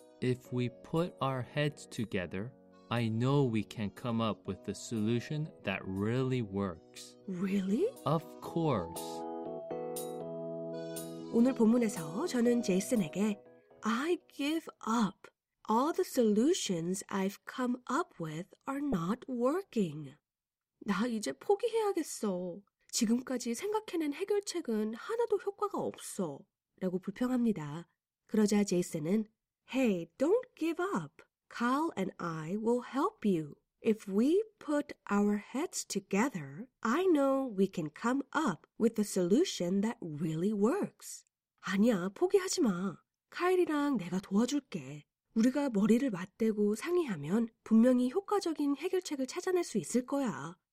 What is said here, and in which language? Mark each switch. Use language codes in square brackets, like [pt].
[en] If we put our heads together, I know we can come up with a solution that really works. Really? Of course. [ko] 오늘 본문에서 저는 제이슨에게 [en] I give up. All the solutions I've come up with are not working. [ko] 나 이제 포기해야겠어. 지금까지 생각해낸 해결책은 하나도 효과가 없어. 라고 불평합니다. 그러자 제이슨은 [en] Hey, don't give up. Kyle and I will help you. If we put our heads together, I know we can come up with a solution that really works. [ko] 아니야, 포기하지 마. 카일이랑 내가 도와줄게. 우리가 머리를 맞대고 상의하면 분명히 효과적인 해결책을 찾아낼 수 있을 거야.